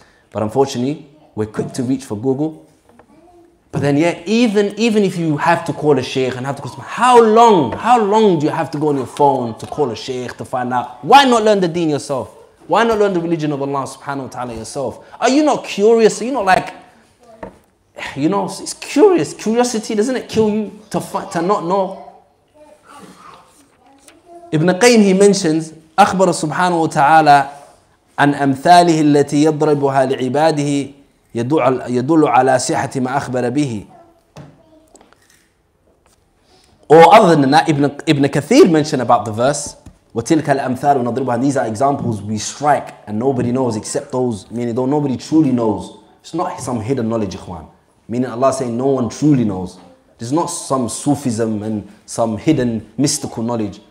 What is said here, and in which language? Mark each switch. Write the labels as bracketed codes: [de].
[en] But unfortunately, we're quick to reach for Google. But then yeah, even if you have to call a sheikh and have to call someone, how long do you have to go on your phone to call a sheikh to find out? Why not learn the deen yourself? Why not learn the religion of Allah subhanahu wa ta'ala yourself? Are you not curious? Are you not like, you know, it's curious. Curiosity, doesn't it kill you to not know? Ibn Qayyim, he mentions, [ar] أخبر سبحانه وتعالى عن أمثاله التي يضربها لعباده يدل على صحة ما أخبر به. [en] Or other than that, Ibn Kathir mentioned about the verse, [ar] وتلك الأمثال ونضربها. [en] These are examples we strike and nobody knows except those, meaning though nobody truly knows. It's not some hidden knowledge, ikhwan. Meaning Allah saying no one truly knows. This is not some Sufism and some hidden mystical knowledge.